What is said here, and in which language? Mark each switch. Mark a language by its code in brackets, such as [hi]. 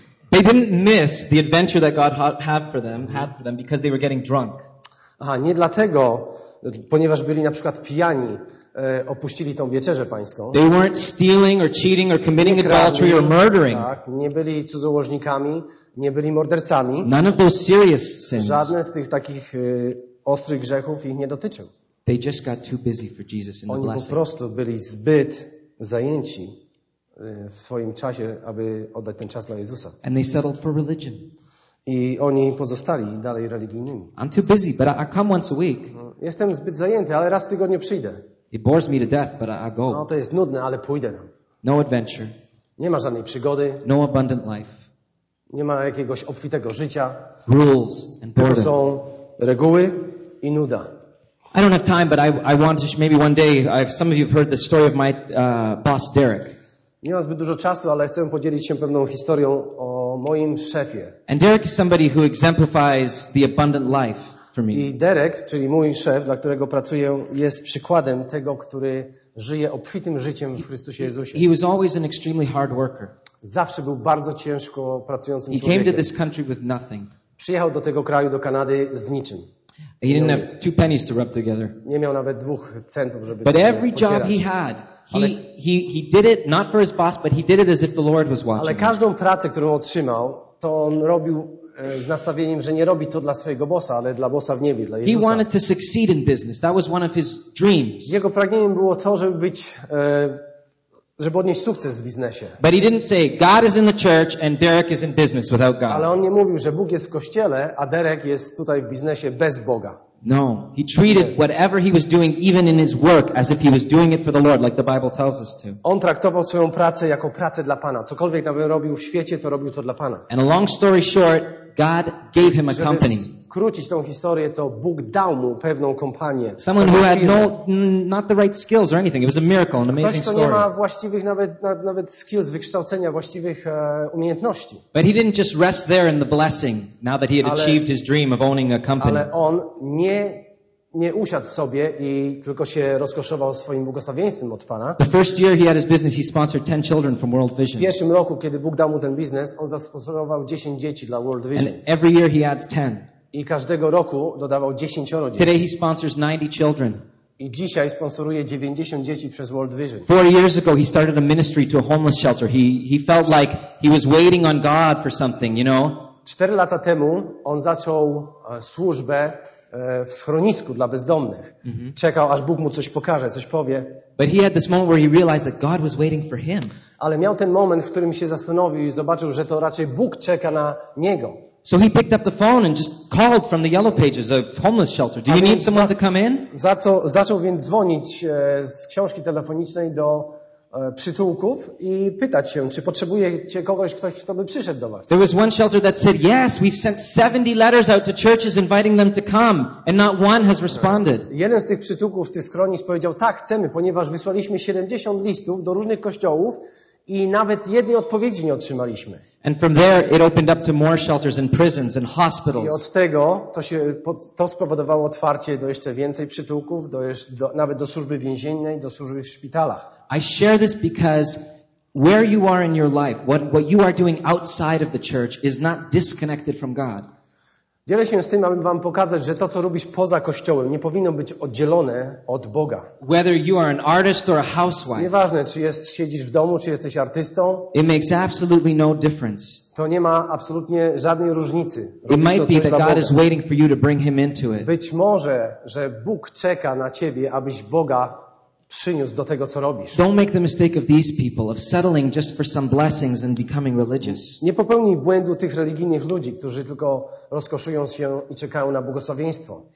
[en] They didn't miss the adventure that God had for them because they were getting drunk. [pl] Nie dlatego, ponieważ byli na przykład pijani, opuścili tą wieczerzę pańską. [en] They weren't stealing or cheating or committing adultery or murdering. [pl] Tak, nie byli cudzołożnikami, nie byli mordercami. [en] None of those serious sins. [pl] Żadne z tych takich ostrych grzechów ich nie dotyczył. [en] They just got too busy for Jesus and the blessing. [pl] Oni po prostu byli zbyt zajęci w swoim czasie, aby oddać ten czas dla Jezusa. [en] And they settled for religion. [pl] I oni pozostali dalej religijnymi. [en] I'm too busy, but I come once a week. [pl] Jestem zbyt zajęty, ale raz w tygodniu przyjdę. [en] It bores me to death, but I go. [pl] To jest nudne, ale pójdę tam. [en] No adventure. [pl] Nie ma żadnej przygody. [en] No abundant life. [pl] Nie ma jakiegoś obfitego życia. [en] Rules and boredom. [pl] To są reguły i nuda. [en] I don't have time, but I want to maybe one day. Some of you have heard the story of my boss Derek. [pl] Nie mam zbyt dużo czasu, ale chcę podzielić się pewną historią o moim szefie. [en] And Derek is somebody who exemplifies the abundant life for me. [pl] I Derek, czyli mój szef, dla którego pracuję, jest przykładem tego, który żyje obfitym życiem w Chrystusie Jezusie. [en] He was always an extremely hard worker. [pl] Zawsze był bardzo ciężko pracującym człowiekiem. [en] He came to this country with nothing. [pl] Przyjechał do tego kraju, do Kanady, z niczym. [en] He didn't have two pennies to rub together. [pl] Nie miał nawet dwóch centów, żeby. [en] But every job he had, he did it not for his boss, but he did it as if the Lord was watching. [pl] Ale każdą pracę, którą otrzymał, to on robił z nastawieniem, że nie robi to dla swojego bossa, ale dla bossa w niebie, dla Jezusa. [en] He wanted to succeed in business. That was one of his dreams. [pl] Jego pragnieniem było to, żeby być, żeby odnieść sukces w biznesie. [en] But he didn't say God is in the church and Derek is in business without God. [pl] Ale on nie mówił, że Bóg jest w kościele, a Derek jest tutaj w biznesie bez Boga. [en] No, he treated whatever he was doing even in his work as if he was doing it for the Lord, like the Bible tells us to. [pl] On traktował swoją pracę jako pracę dla Pana. Cokolwiek nawet robił w świecie, to robił to dla Pana. [en] And a long story short, God gave him a company. [pl] Skrócić tą historię, to Bóg dał mu pewną kompanię. [en] Someone who had not the right skills or anything. It was a miracle, an amazing story. [pl] Ktoś, kto nie ma właściwych nawet skills, wykształcenia, właściwych umiejętności. [en] But he didn't just rest there in the blessing now that he had achieved his dream of owning a company. [pl] Ale on nie usiadł sobie i tylko się rozkoszował swoim błogosławieństwem od Pana. [en] The first year he had his business, he sponsored 10 children from World Vision. [pl] W pierwszym roku, kiedy Bóg dał mu ten biznes, on zasponsorował 10 dzieci dla World Vision. [en] And every year he adds 10. [pl] I każdego roku dodawał 10 dzieci. [en] Today he sponsors 90 children. [pl] I dzisiaj sponsoruje 90 dzieci przez World Vision. [en] 4 years ago he started a ministry to a homeless shelter. He felt like he was waiting on God for something, you know? [pl] 4 lata temu on zaczął służbę w schronisku dla bezdomnych. Mm-hmm. Czekał, aż Bóg mu coś pokaże, coś powie. [en] But he had this moment where he realized that God was waiting for him. [pl] Ale miał ten moment, w którym się zastanowił i zobaczył, że to raczej Bóg czeka na niego. [en] So he picked up the phone and just called from the Yellow Pages, a homeless shelter. Do you need someone to come in? [pl] Zaczął więc dzwonić z książki telefonicznej do przytułków i pytać się, czy potrzebujecie kogoś, ktoś, kto by przyszedł do was. [en] There was one shelter that said, yes, we've sent 70 letters out to churches inviting them to come, and not one has responded. [pl] Jeden z tych przytułków, z tych schronisk powiedział, tak, chcemy, ponieważ wysłaliśmy 70 listów do różnych kościołów i nawet jednej odpowiedzi nie otrzymaliśmy. [en] And from there it opened up to more shelters and prisons and hospitals. [pl] I od tego to spowodowało otwarcie do jeszcze więcej przytułków, nawet do służby więziennej, do służby w szpitalach. [en] I share this because Where you are in your life, what you are doing outside of the church is not disconnected from God. [pl] Dzielę się z tym, aby wam pokazać, że to, co robisz poza kościołem, nie powinno być oddzielone od Boga. [en] Whether you are an artist or a housewife. [pl] Nieważne, czy jest, siedzisz w domu, czy jesteś artystą. [en] It makes absolutely no difference. [pl] To nie ma absolutnie żadnej różnicy. [en] It might be that God is waiting for you to bring him into it. [pl] Być może, że Bóg czeka na ciebie, abyś Boga przyniósł do tego, co robisz. [en] Don't make the mistake of these people, of settling just for some blessings and becoming religious. [pl] Nie popełnij błędu tych religijnych ludzi, którzy tylko rozkoszują się i czekają na błogosławieństwo.